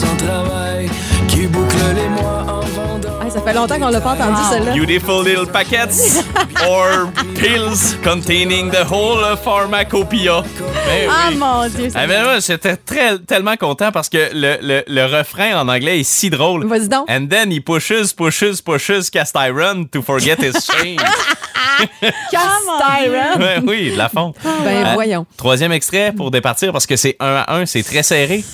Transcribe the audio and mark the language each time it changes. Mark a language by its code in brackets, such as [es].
[fr] pousse, pousse, pousse, pousse, pousse, pousse, ça fait longtemps qu'on l'a pas entendu, wow. Celle-là. [en] Beautiful little packets or pills containing the whole pharmacopoeia. [fr] Ben oui. Ah, mon Dieu. Ah, ben moi, j'étais très, tellement content parce que le refrain en anglais est si drôle. Vas-y donc. [en] And then he pushes, pushes, pushes cast iron to forget his chains. Cast iron. [fr] Ben oui, de la fonte. Ben voyons. Troisième extrait pour départir parce que c'est 1-1, c'est très serré.